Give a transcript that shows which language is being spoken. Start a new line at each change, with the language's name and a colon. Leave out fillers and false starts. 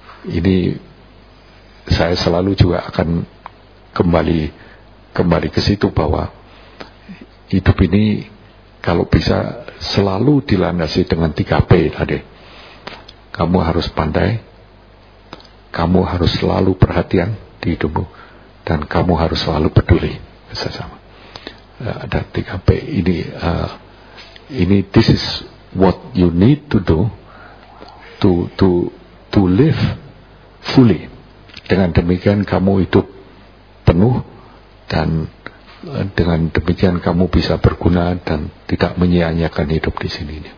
Indonesian: Ini saya selalu juga akan kembali ke situ, bahwa hidup ini kalau bisa selalu dilandasi dengan 3P tadi. Kamu harus pandai, kamu harus selalu perhatian di hidupmu, dan kamu harus selalu peduli sesama. Ada 3P ini. Ini
English: this is what you need to do to live fully.
Indonesian: Dengan demikian kamu hidup penuh, dan dengan demikian kamu bisa berguna dan tidak menyia-nyiakan hidup di sini.